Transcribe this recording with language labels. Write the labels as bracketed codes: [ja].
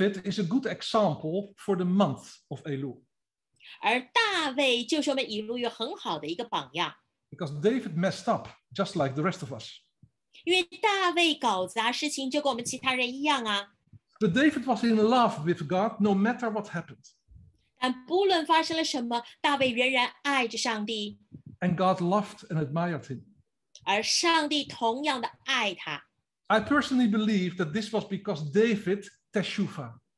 [en] is a good example for the month of Elul. [zh] 而大卫就是我们以路约很好的一个榜样。 [en] Because David messed up, just like the rest of us. [zh] 因为大卫搞砸事情就跟我们其他人一样啊。 [en] But David was in love with God no matter what happened. [zh] 但不论发生了什么，大卫仍然爱着上帝。 [en] And God loved and admired him. [zh] 而上帝同样的爱他。 [en] I personally believe that this was because David teshuva.